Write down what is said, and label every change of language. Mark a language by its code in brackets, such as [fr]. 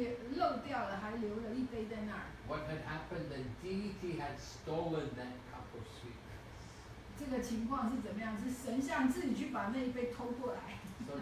[zh] 供奉了很多杯的甜奶饭，但是不知怎么就是漏掉了，还留了一杯在那儿。 [en] What had happened? The deity had stolen that cup of sweet rice. [zh] 这个情况是怎么样？是神像自己去把那一杯偷过来。 [en] So